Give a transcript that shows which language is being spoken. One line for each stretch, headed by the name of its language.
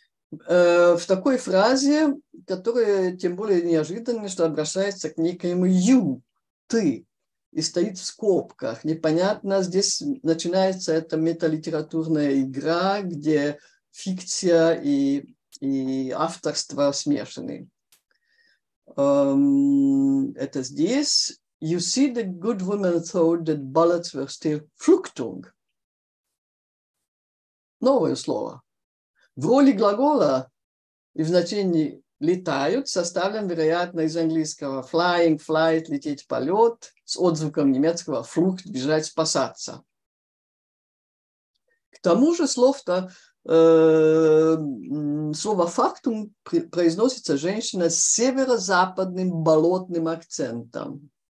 Russian: В такой фразе, которая тем более неожиданна, что обращается к некоему «you», «ты», и стоит в скобках. Непонятно, здесь начинается эта металитературная игра, где фикция и авторство смешаны. Это здесь.
English: You see, the good woman thought that bullets were still fluchtung.
Russian: Новое слово. В роли глагола и в значении «летают» составлен, вероятно, из английского flying, flight, лететь, полет, с отзвуком немецкого flucht, бежать, спасаться. К тому же слово-то, слово «фактунг» произносится женщина с северо-западным болотным акцентом.